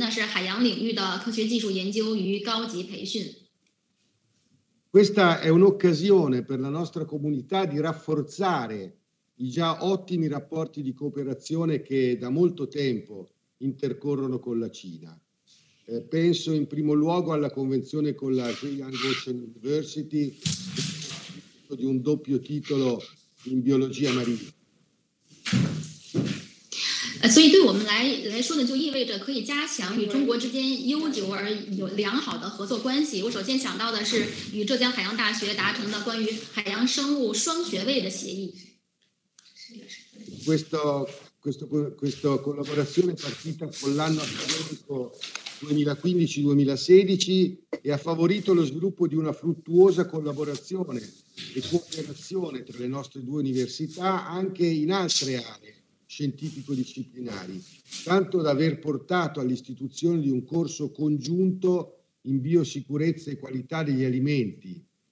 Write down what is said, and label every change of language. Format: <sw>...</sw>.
<zh>那我感谢意大利驻华大使方兰毅先生，还有意大利驻华大使馆科技参赞亚历山德拉·桂迪教授邀请了比萨大学来参加首届的意大利双边研讨会。这次研讨会的主题呢是海洋领域的科学技术研究与高级培训。</zh> <it>Questa è un'occasione per la nostra comunità di rafforzare i già ottimi rapporti di cooperazione che da molto tempo intercorrono con la Cina. Penso in primo luogo alla convenzione con la Zhejiang Ocean University di un doppio titolo in biologia marina.</it> <zh>所以对我们来说呢，就意味着可以加强与中国之间悠久而有良好的合作关系。我首先想到的是与浙江海洋大学达成的关于海洋生物双学位的协议。</zh> <it>Questo questa collaborazione è partita con l'anno accademico 2015-2016 e ha favorito lo sviluppo di una fruttuosa collaborazione e cooperazione tra le nostre due università anche in altre aree scientifico-disciplinari, tanto da aver portato all'istituzione di un corso congiunto in biosicurezza e qualità degli alimenti</it>